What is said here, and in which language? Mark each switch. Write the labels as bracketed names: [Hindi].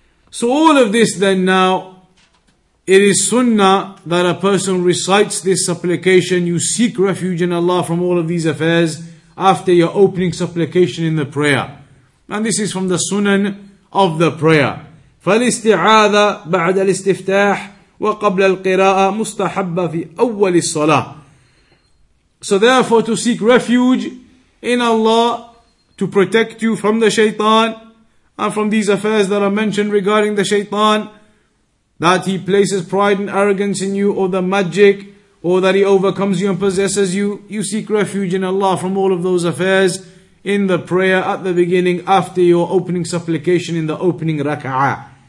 [English] So all of this then now, it is sunnah that a person recites this supplication. You seek refuge in Allah from all of these affairs after your opening supplication in the prayer. And this is from the sunan of the prayer. [Arabic] فالاستعاذة بعد الاستفتاح وقبل القراءة مستحبة في أول الصلاة. [English] So therefore to seek refuge in Allah to protect you from the shaitan and from these affairs that are mentioned regarding the shaitan, that he places pride and arrogance in you, or the magic, or that he overcomes you and possesses you, you seek refuge in Allah from all of those affairs in the prayer at the beginning after your opening supplication in the opening raka'ah.